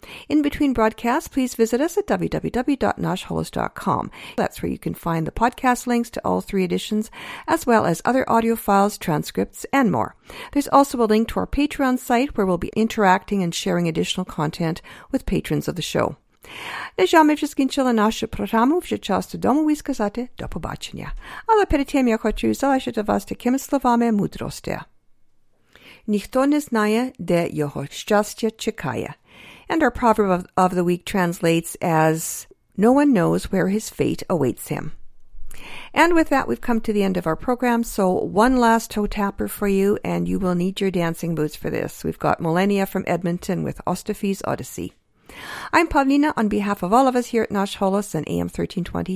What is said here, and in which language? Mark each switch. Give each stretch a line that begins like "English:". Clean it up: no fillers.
English: In between broadcasts, please visit us at www.nashholos.com. That's where you can find the podcast links to all three editions, as well as other audio files, transcripts, and more. There's also a link to our Patreon site where we'll be interacting and sharing additional content with patrons of the show.
Ukrainian: Нажами вже скінчила нашу програму. Вже час додому і сказати до побачення. Але перед тим я хочу залишити вас такими словами мудрості. Ніхто не знає, де його щастя чекає.
English: And our proverb of the week translates as, no one knows where his fate awaits him. And with that, we've come to the end of our program. So one last toe tapper for you, and you will need your dancing boots for this. We've got Millennia from Edmonton with Ostafi's Odyssey. I'm Pavlina on behalf of all of us here at Nash Holos and AM 1320.